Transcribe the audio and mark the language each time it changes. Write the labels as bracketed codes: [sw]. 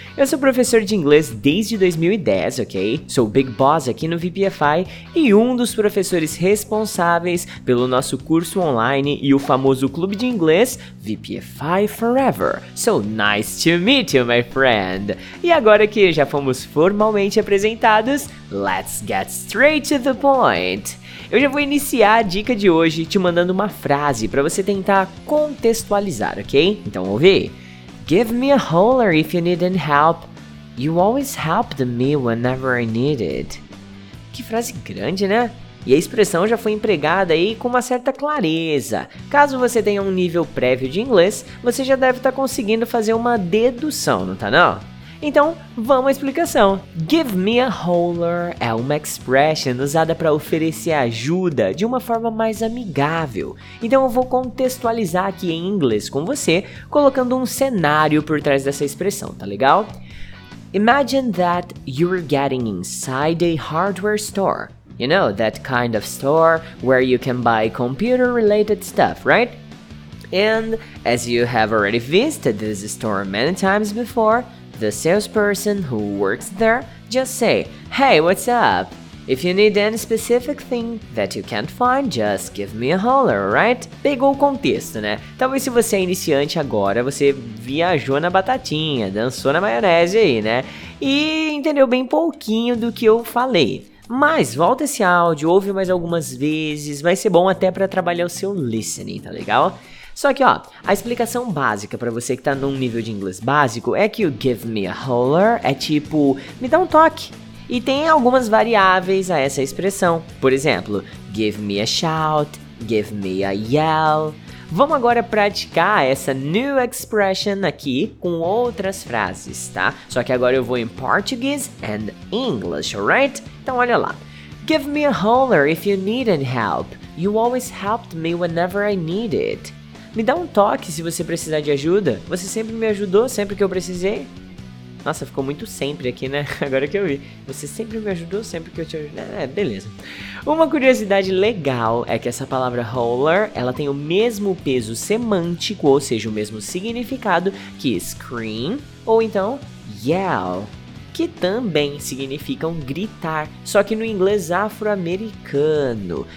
[pt] Eu sou professor de inglês desde 2010, ok? Sou o Big Boss aqui no VPFI e um dos professores responsáveis pelo nosso curso online e o famoso clube de inglês VPFI Forever. [en] So nice to meet you, my friend! [pt] E agora que já fomos formalmente apresentados, [en] let's get straight to the point. [pt] Eu já vou iniciar a dica de hoje te mandando uma frase para você tentar contextualizar, ok? Então ouve. [en] Give me a holler if you need any help. You always helped me whenever I needed. [pt] Que frase grande, né? E a expressão já foi empregada aí com uma certa clareza. Caso você tenha um nível prévio de inglês, você já deve estar conseguindo fazer uma dedução, não tá não? Então, vamos à explicação. [en] Give me a holler [pt] é uma expression usada para oferecer ajuda de uma forma mais amigável. Então eu vou contextualizar aqui em inglês com você, colocando um cenário por trás dessa expressão, tá legal? [en] Imagine that you're getting inside a hardware store. You know, that kind of store where you can buy computer-related stuff, right? And as you have already visited this store many times before, the salesperson who works there just say, "Hey, what's up? If you need any specific thing that you can't find, just give me a holler, right?" [pt] Pegou o contexto, né? Talvez se você é iniciante agora, você viajou na batatinha, dançou na maionese aí, né? E entendeu bem pouquinho do que eu falei. Mas volta esse áudio, ouve mais algumas vezes, vai ser bom até pra trabalhar o seu listening, tá legal? Só que, ó, a explicação básica pra você que tá num nível de inglês básico é que o [en] give me a holler [pt] é tipo, me dá um toque. E tem algumas variáveis a essa expressão. Por exemplo, [en] give me a shout, give me a yell. [pt] Vamos agora praticar essa [en] new expression [pt] aqui com outras frases, tá? Só que agora eu vou em português [en] and English, alright? [pt] Então olha lá. [en] Give me a holler if you need any help. You always helped me whenever I needed. [pt] Me dá um toque se você precisar de ajuda. Você sempre me ajudou, sempre que eu precisei. Nossa, ficou muito sempre aqui, né? Agora que eu vi. Você sempre me ajudou, sempre que eu te ajudei. É, beleza. Uma curiosidade legal é que essa palavra holler, ela tem o mesmo peso semântico, ou seja, o mesmo significado que scream, ou então yell, que também significam gritar, só que no inglês afro-americano.